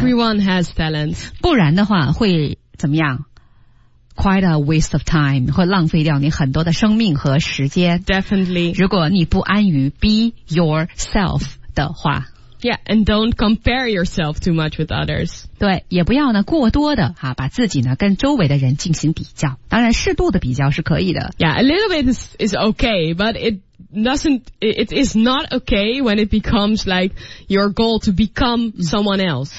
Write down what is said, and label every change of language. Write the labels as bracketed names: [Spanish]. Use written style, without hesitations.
[English] Everyone has talents. [Chinese] 不然的话，会怎么样？ [English] Quite a waste of time， [Chinese] 会浪费掉你很多的生命和时间。 [English] Definitely， [Chinese] 如果你不安于 [English] be yourself [Chinese] 的话。 [English] Yeah, and don't compare yourself too much with others. [Chinese] 对，也不要呢过多的哈，把自己呢跟周围的人进行比较。当然，适度的比较是可以的。 [English] Yeah, a little bit is okay, but it is not okay when it becomes like your goal to become someone else.